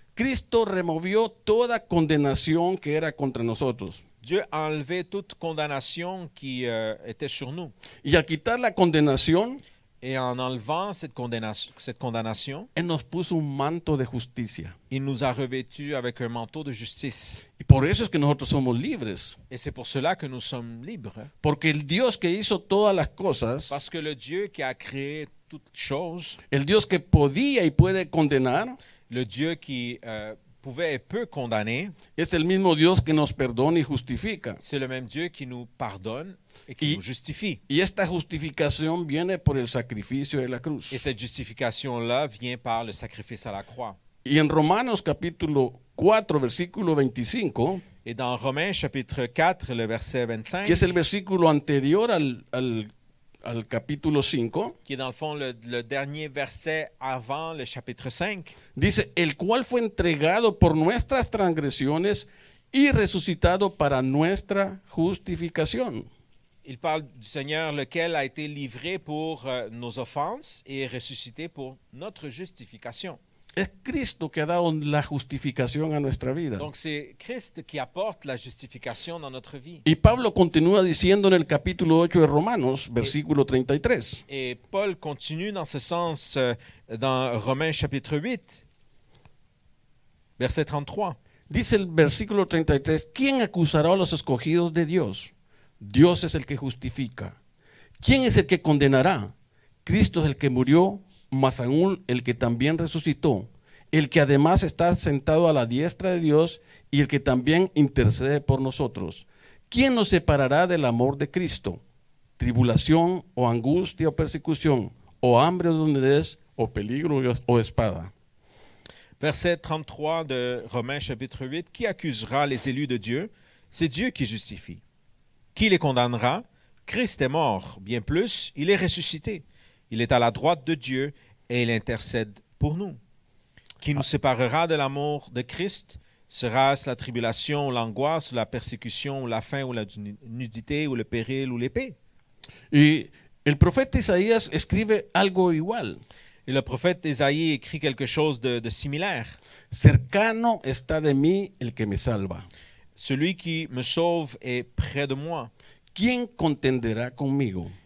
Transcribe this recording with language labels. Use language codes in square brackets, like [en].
[es] Cristo removió toda condenación que era contra nosotros. [fr] Dieu a enlevé toute condamnation qui était sur nous. [es] Y al quitar la condenación, [fr] et en enlevant cette condamnation, [es] él nos puso un manto de justicia. [fr] Il nous a revêtu avec un manteau de justice. [es] Y por eso es que nosotros somos libres. [fr] Et c'est pour cela que nous sommes libres. [es] Porque el Dios que hizo todas las cosas, [fr] parce que le Dieu qui a créé chose, [es] el Dios que podía y puede condenar, [fr] le Dieu qui pouvait et peut condamner, [es] es el mismo Dios que nos perdona y justifica. [fr] C'est le même Dieu qui nous pardonne et qui nous justifie. [es] Y esta justificación viene por el sacrificio de la cruz. [fr] Et cette justification là vient par le sacrifice à la croix. [es] Y en Romanos capítulo 4 versículo 25, [fr] et dans Romains chapitre 4 le verset 25, [es] que es el versículo anterior al al capítulo 5, [fr] qui est dans le fond le dernier verset avant le chapitre 5, [es] dice, el cual fue entregado por nuestras transgresiones y resucitado para nuestra justificación. [fr] Il parle du Seigneur, lequel a été livré pour nos offenses et ressuscité pour notre justification. [es] Es Cristo que ha dado la justificación a nuestra vida. [fr] Donc c'est Christ qui apporte la justification dans notre vie. [es] Y Pablo continúa diciendo en el capítulo 8 de Romanos, versículo 33. [fr] Et Paul continue dans ce sens dans Romains chapitre 8, verset 33. [es] Dice el versículo 33, ¿quién acusará a los escogidos de Dios? Dios es el que justifica. ¿Quién es el que condenará? Cristo es el que murió, más aún el que también resucitó, el que además está sentado a la diestra de Dios y el que también intercede por nosotros. ¿Quién nos separará del amor de Cristo? ¿Tribulación o angustia o persecución o hambre o desnudez o peligro o espada? [fr] Verset 33 de Romains chapitre 8, qui accusera les élus de Dieu? C'est Dieu qui justifie. Qui les condamnera? Christ est mort, bien plus, il est ressuscité. Il est à la droite de Dieu et il intercède pour nous. Qui nous séparera de l'amour de Christ? Sera-ce la tribulation ou l'angoisse, ou la persécution ou la faim ou la nudité ou le péril ou l'épée? Et le prophète Isaïe écrit [es] algo igual. [fr] Et le prophète Isaïe écrit quelque chose de similaire. [es] Cercano está de mí el que me salva. [fr] Celui qui me sauve est près de moi. [es] ¿Quién contenderá conmigo?